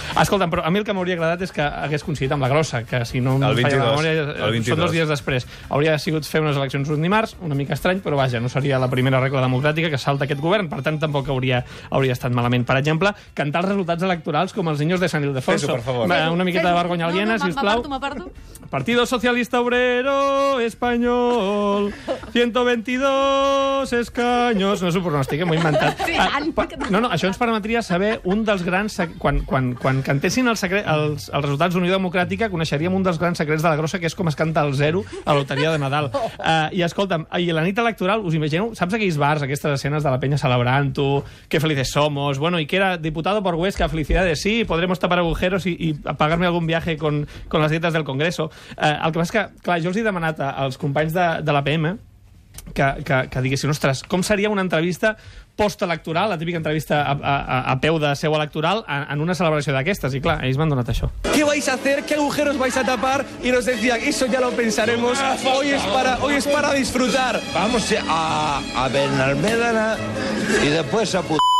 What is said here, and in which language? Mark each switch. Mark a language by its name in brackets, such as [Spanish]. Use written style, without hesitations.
[Catalan] Escolta'm, però a mi el que m'hauria agradat és que hagués coincidit amb la grossa, que si no em falla la memòria, són dos dies després. Hauria sigut fer unes eleccions un dimarts, una mica estrany, però vaja, no seria la primera regla democràtica que salta aquest govern, per tant, tampoc hauria estat malament. Per exemple, cantar els resultats electorals com els niños de San Ildefonso. Una miqueta de vergonya aliena, si us plau. [Spanish] Partido Socialista Obrero Español, 122 escaños. [Catalan] No és un pronòstic, m'ho he inventat. No, això ens permetria saber un dels grans... Quan cantessin els resultats d'Unió Democràtica, coneixeríem un dels grans secrets de la grossa, que és com es canta el zero a loteria de Nadal. I escolta'm, i la nit electoral, us imagineu, saps aquells bars, aquestes escenes de la penya celebrant-ho, [Spanish] que felices somos, bueno, i que era diputado por Huesca, felicidades, sí, podremos tapar agujeros y pagarme algún viaje con las dietas del Congreso. [Catalan] El que passa és que, clar, jo els he demanat als companys de l'APM que diguessin, ostres, com seria una entrevista postelectoral, la típica entrevista a peu de seu electoral en una celebració d'aquestes, i clar, ells m'han donat això. [Spanish] ¿Qué vais a hacer? ¿Qué agujeros vais a tapar? Y nos decía, eso ya lo pensaremos. Hoy es para disfrutar. Vamos a Benalmédena y después a puto.